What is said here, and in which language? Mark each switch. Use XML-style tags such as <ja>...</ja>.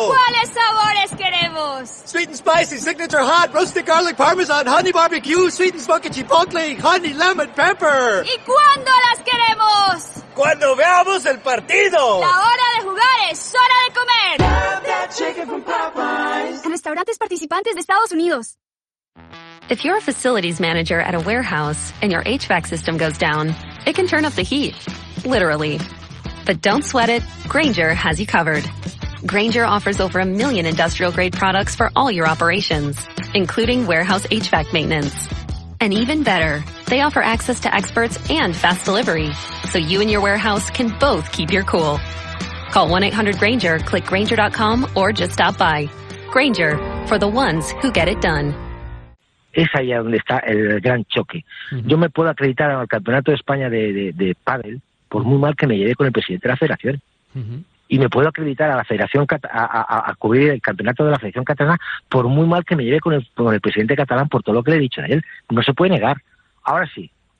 <es>¿Cuáles sabores queremos?</es> <en>Sweet and spicy, signature hot, roasted garlic, parmesan, honey barbecue, sweet and smoky chipotle, honey lemon pepper.</en> <es>¿Y cuándo las queremos? Cuando veamos el partido. La hora de jugar es hora de comer.</es> <en>Have that chicken from Popeyes.</en> <es>En restaurantes participantes de Estados Unidos.</es> <en>If you're a facilities manager at a warehouse and your HVAC system goes down, it can turn up the heat, literally. But don't sweat it, Grainger has you covered. Grainger offers over a million industrial-grade products for all your operations, including warehouse HVAC maintenance. And even better, they offer access to experts and fast delivery, so you and your warehouse can both keep your cool. Call 1-800-GRAINGER, click Grainger.com, or just stop by. Grainger, for the ones who get it done.</en> <es>Es ahí donde está el gran choque. Yo me puedo acreditar al Campeonato de España de pádel por muy mal que me llevé con el presidente de la federación. Y me puedo acreditar a la federación a cubrir el campeonato de la Federación Catalana por muy mal que me llevé con el presidente catalán por todo lo que le he dicho a él. No se puede negar. Ahora sí,</es>